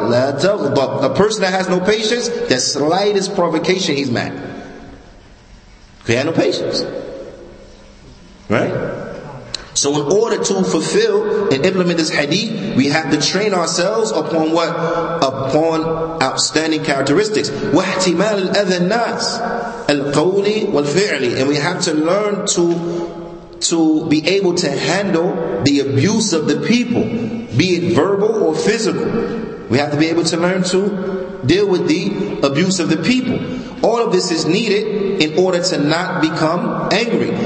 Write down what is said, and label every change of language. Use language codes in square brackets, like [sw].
[ar] لا تغضب. [en] A person that has no patience, the slightest provocation, he's mad. He has no patience. Right? So in order to fulfill and implement this hadith, we have to train ourselves upon what? Upon outstanding characteristics. [ar] واحتمال الأذى الناس القول والفعل. [en] And we have to learn to be able to handle the abuse of the people, be it verbal or physical. We have to be able to learn to deal with the abuse of the people. All of this is needed in order to not become angry.